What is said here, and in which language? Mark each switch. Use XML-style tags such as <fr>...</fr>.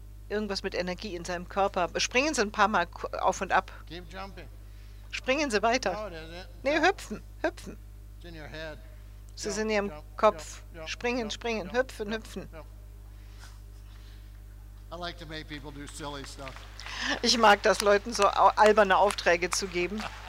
<de>Irgendwas mit Energie in seinem Körper. Springen Sie ein paar Mal auf und ab. Springen Sie weiter. Nee, hüpfen, hüpfen. Sie sind in Ihrem Kopf. Springen, springen, hüpfen, hüpfen.</de> <en>I like to make people do silly stuff.</en> <de>Ich mag das, Leuten so alberne Aufträge zu geben.</de>